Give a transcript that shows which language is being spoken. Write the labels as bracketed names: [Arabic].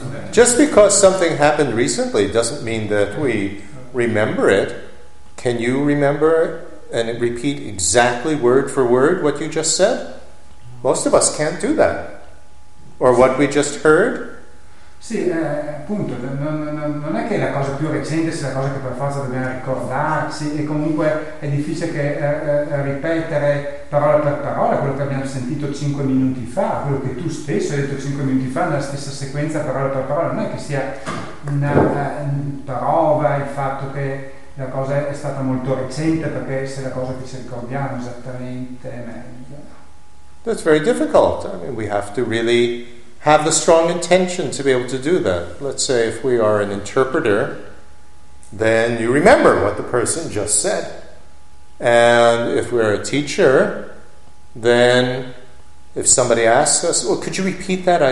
[English] Just because something happened recently doesn't mean that we remember it. Can you remember and repeat exactly word for word what you just said? Most of us can't do that. Or what we just heard? [Italian] Sì, appunto, non è che la cosa più recente sia la cosa che per forza dobbiamo ricordarci, e comunque è difficile che ripetere parola per parola quello che abbiamo sentito 5 minuti fa, quello che tu stesso hai detto 5 minuti fa nella stessa sequenza parola per parola. Non è che sia una prova il fatto che la cosa è stata molto recente, perché se la cosa che ci ricordiamo esattamente è meglio. [English] That's very difficult. I mean, we have to really have the strong intention to be able to do that. Let's say if we are an interpreter, then you remember what the person just said. And if we're a teacher, then if somebody asks us, well, could you repeat that?